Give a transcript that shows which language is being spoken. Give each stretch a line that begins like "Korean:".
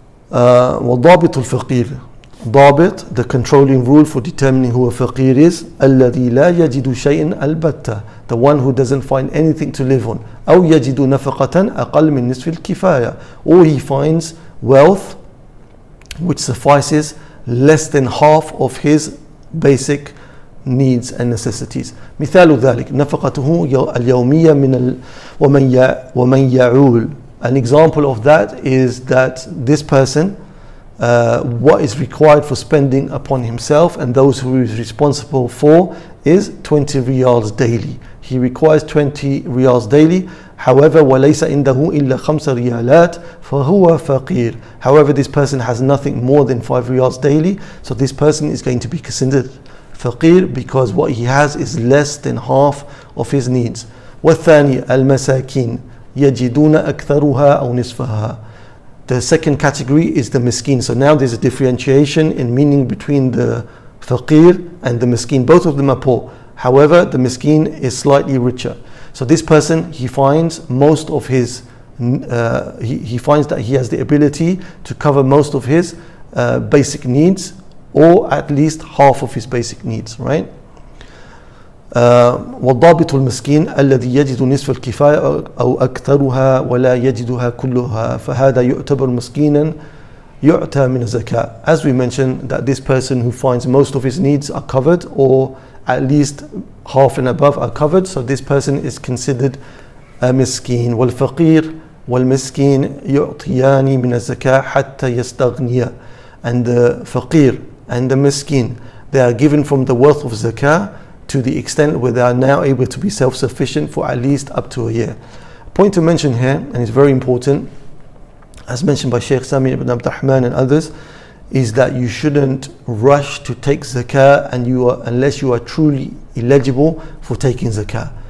Arabic: وضابط الفقير,
English: ضابط, the controlling rule for determining who a faqir is,
Arabic: الذي لا يجد شيئا البتة,
English: the one who doesn't find anything to live on,
Arabic: أو يجد نفقة أقل من نصف الكفاية,
English: or he finds wealth which suffices less than half of his basic needs and necessities.
Arabic: مثال ذلك نفقته اليومية من ومن يعول.
English: An example of that is that this person, what is required for spending upon himself and those who he is responsible for is 20 riyals daily. He requires 20 riyals daily.
Arabic: However, وَلَيْسَ عِنْدَهُ إِلَّا 5 riyalat فَهُوَ فَقِيرٌ.
English: However, this person has nothing more than 5 riyals daily. So this person is going to be considered faqir because what he has is less than half of his needs.
Arabic: وَالثَّانِي الْمَسَاكِينَ. يَجِدُونَ أَكْثَرُهَا أَوْ نِصْفَهَا.
English: The second category is the miskeen. So now there's a differentiation in meaning between the faqir and the miskeen. Both of them are poor. However, the miskeen is slightly richer. So this person, he finds most of his, he finds that he has the ability to cover most of his basic needs, or at least half of his basic needs, right?
Arabic: والضابط المسكين الذي يجد نصف الكفاية أو أكثرها ولا يجدها كلها فهذا يعتبر مسكينا يعتى من الزكاة.
English: As we mentioned, that this person who finds most of his needs are covered, or at least half and above are covered, so this person is considered a مسكين.
Arabic: والفقير والمسكين يعطيان من الزكاة حتى يستغنيا.
English: And the فقير and the مسكين, they are given from the wealth of زكاة to the extent where they are now able to be self-sufficient for at least up to a year. Point to mention here, and it's very important, as mentioned by Sheikh Sami ibn Abd al-Rahman and others, is that you shouldn't rush to take zakah and you are, unless you are truly eligible for taking zakah.